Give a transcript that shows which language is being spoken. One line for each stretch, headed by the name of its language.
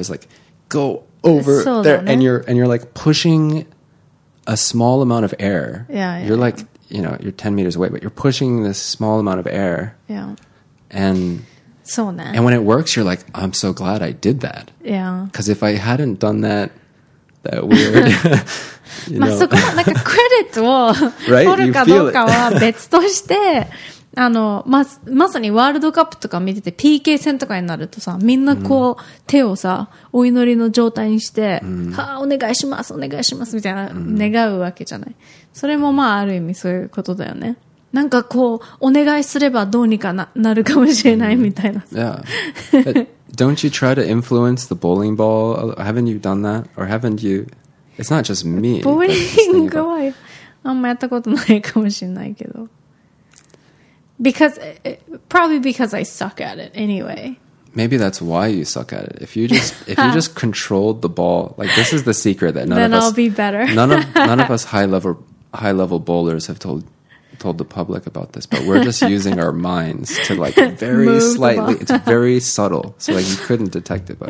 English: It's like, go over so there. Done, and you're like pushing a small amount of air. Yeah, yeah. You're like, you know, you're 10 meters away, but you're pushing this small amount of air. Yeah. And so then. And when it works, you're like, I'm so glad I did that. Yeah. Because if I hadn't done that weird...
Japanese: まあそこのなんかクレジットを取るかどうかは別としてあのまさにワールドカップとか見てて PK 戦とかになるとさみんなこう手をさお祈りの状態にしてはお願いしますお願いしますみたいな願うわけじゃない。それもまあある意味そういうことだよね。なんかこうお願いすればどうにかなるかもしれないみたいな。
English: Don't you try to influence the bowling ball? Haven't you done that? Or haven't you... It's not just me.
Japanese: ボーリングはあんまやったことないかもしれないけど。
English: Because, probably because I suck at it anyway. Maybe that's why you suck at it. If you just controlled the ball, like this is the secret that none then of us... Then I'll be better. none of us high level bowlers have told the public about this, but we're just using our minds to like very slightly, it's very subtle, so like you couldn't detect it. But